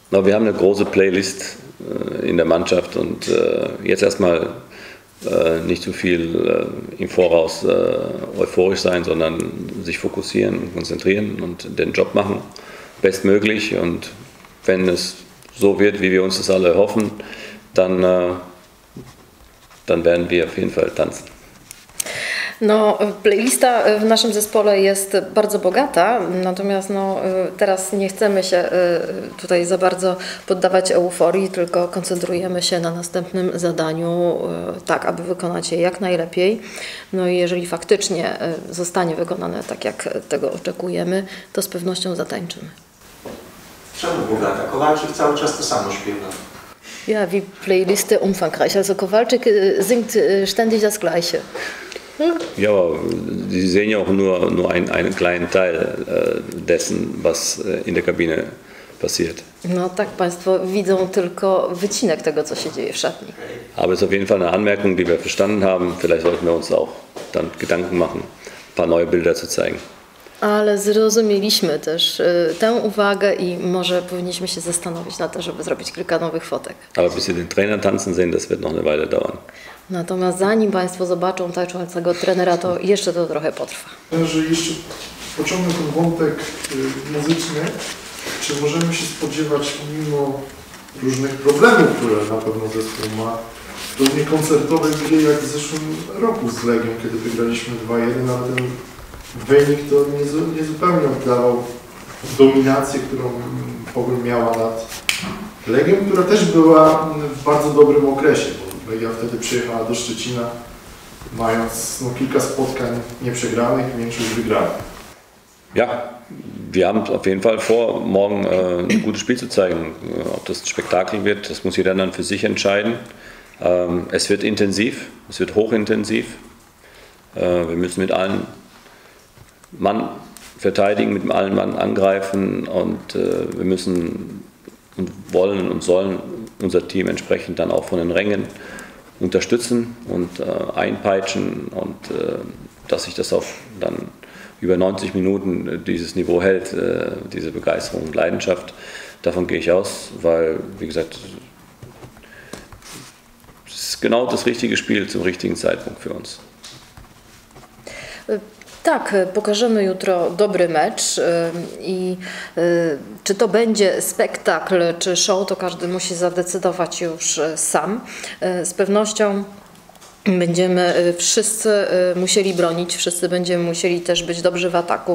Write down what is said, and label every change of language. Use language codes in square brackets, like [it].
[de] No, wir haben eine große Playlist in der Mannschaft und jetzt erstmal nicht zu viel im Voraus euphorisch sein, sondern sich fokussieren, konzentrieren und den Job machen, bestmöglich. Und wenn es so wird, wie wir uns das alle hoffen, dann werden wir auf jeden Fall tanzen. [pl] No, playlista w naszym zespole jest bardzo bogata, natomiast no, teraz nie chcemy się tutaj za bardzo poddawać euforii, tylko koncentrujemy się na następnym zadaniu, tak aby wykonać je jak najlepiej. No i jeżeli faktycznie zostanie wykonane tak, jak tego oczekujemy, to z pewnością zatańczymy. Czemu bogata? Kowalczyk cały czas to samo śpiewa. [de] Ja, wie playlisty umfangreich. Also Kowalczyk singt ständig das gleiche. Ja, aber Sie sehen ja auch nur einen kleinen Teil dessen, was in der Kabine passiert. [pl] No tak, Państwo widzą tylko wycinek tego, co się dzieje w szatni. [de] Aber es ist auf jeden Fall eine Anmerkung, die wir verstanden haben. Vielleicht sollten wir uns auch dann Gedanken machen, ein paar neue Bilder zu zeigen. [pl] Ale zrozumieliśmy też tę uwagę i może powinniśmy się zastanowić na to, żeby zrobić kilka nowych fotek. [de] Aber bis Sie den Trainer tanzen sehen, das wird noch eine Weile dauern. [pl] Natomiast zanim Państwo zobaczą tańczącego trenera, to jeszcze to trochę potrwa. Że jeszcze pociągnę ten wątek muzyczny. Czy możemy się spodziewać, mimo różnych problemów, które na pewno zespół ma, równie koncertowych, gdzie jak w zeszłym roku z Legią, kiedy wygraliśmy 2-1, a ten wynik to nie zupełnie oddawał dominację, którą Pogoń miała nad Legią, która też była w bardzo dobrym okresie. Ja wtedy przyjechała do Szczecina, mając no, kilka spotkań nieprzegranych, większość wygranych. [de] Ja, wir haben auf jeden Fall vor, morgen ein gutes Spiel zu zeigen. Ob das ein Spektakel wird, das muss jeder dann für sich entscheiden. Es wird intensiv, es wird hochintensiv. Wir müssen mit allen Mann verteidigen, mit allen Mann angreifen und wir müssen und wollen und sollen unser Team entsprechend dann auch von den Rängen unterstützen und einpeitschen und dass sich das auf dann über 90 Minuten dieses Niveau hält, diese Begeisterung und Leidenschaft, davon gehe ich aus, weil, wie gesagt, es ist genau das richtige Spiel zum richtigen Zeitpunkt für uns. [pl] Tak, pokażemy jutro dobry mecz i czy to będzie spektakl czy show, to każdy musi zadecydować już sam. Z pewnością będziemy wszyscy musieli bronić, wszyscy będziemy musieli też być dobrzy w ataku.